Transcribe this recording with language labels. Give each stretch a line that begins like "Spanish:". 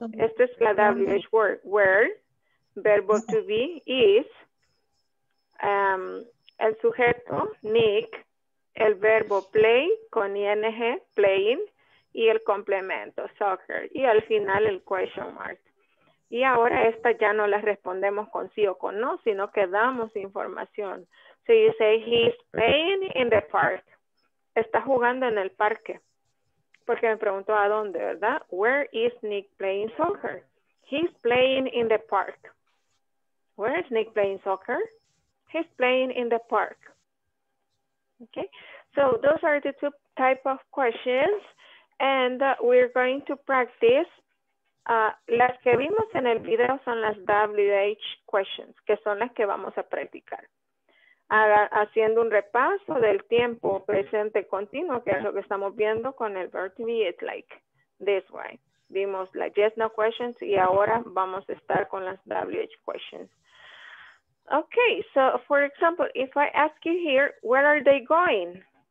Spanish: Esta es la WH word. Where, verbo to be, is, el sujeto, Nick, el verbo play, con ing, playing, y el complemento, soccer. Y al final el question mark. Y ahora esta ya no la respondemos con sí o con no, sino que damos información.
English: So you say, he's playing in the park.
Spanish: Está jugando en el parque. Porque me preguntó a dónde, ¿verdad?
English: Where is Nick playing soccer? He's playing in the park. Where is Nick playing soccer? He's playing in the park. Okay. So those are the two type of questions. And we're going to practice.
Spanish: Las que vimos en el video son las WH questions, que son las que vamos a practicar. Haciendo un repaso del tiempo presente continuo, que es lo que estamos viendo con el verb to be,
English: it's like this way.
Spanish: Vimos las yes, no questions y ahora vamos a estar con las WH questions.
English: Okay, so for example, if I ask you here, where are they going?